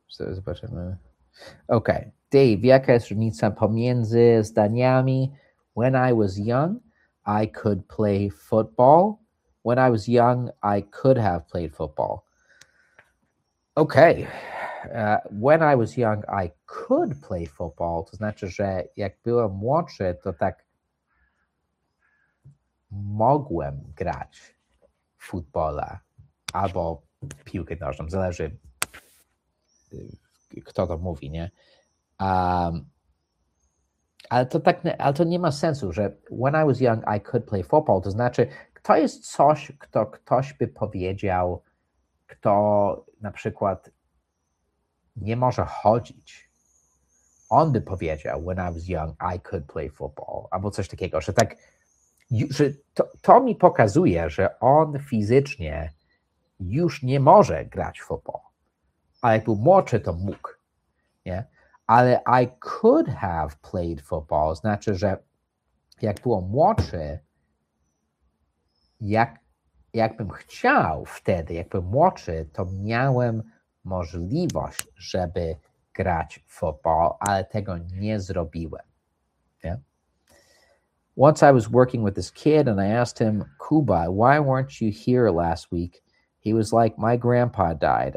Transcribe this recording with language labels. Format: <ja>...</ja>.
<pl>Zobaczymy. Ok. Dave, jaka jest różnica pomiędzy zdaniami?</pl> <en>When I was young, I could play football. When I was young, I could have played football. Ok. When I was young, I could play football.</en> <pl>To znaczy, że jak byłem młodszy, to tak mogłem grać futbola albo piłkę nożną. Zależy, kto to mówi, nie? Ale to nie ma sensu, że</pl> <en>when I was young, I could play football.</en> <pl>To znaczy, to jest coś, kto ktoś by powiedział, kto na przykład nie może chodzić. On by powiedział,</pl> <en>when I was young, I could play football.</en> <pl>Albo coś takiego, że tak, że to mi pokazuje, że on fizycznie już nie może grać w football. A jak był młodszy, to mógł. Nie? Ale</pl> <en>I could have played football</en> <pl>znaczy, że jak byłem młodszy, jakbym chciał wtedy, jakbym młodszy, to miałem możliwość, żeby grać w football, ale tego nie zrobiłem. Nie?</pl> <en>Once I was working with this kid and I asked him, Kubai, why weren't you here last week? He was like, my grandpa died.</en>